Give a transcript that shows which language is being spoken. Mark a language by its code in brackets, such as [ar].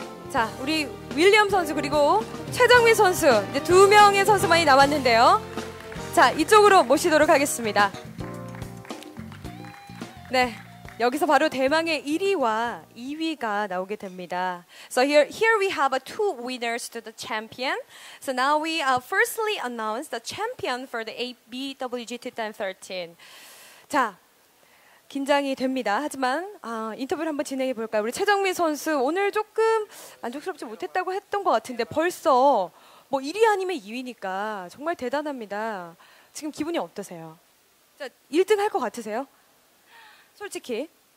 [ko] 자, 우리 윌리엄 선수 그리고 최정민 선수 이제 두 명의 선수만이 남았는데요. 자, 이쪽으로 모시도록 하겠습니다. 네, 여기서 바로 대망의 1위와 2위가 나오게 됩니다. [en] So here we have two winners to the champion. So now we firstly announce the champion for the ABWG 2013. [ko] 자, 긴장이 됩니다. 하지만 인터뷰를 한번 진행해 볼까요? 우리 최정민 선수 오늘 조금 만족스럽지 못했다고 했던 것 같은데 벌써 뭐 1위 아니면 2위니까 정말 대단합니다. 지금 기분이 어떠세요? 자, 1등 할 것 같으세요? 솔직히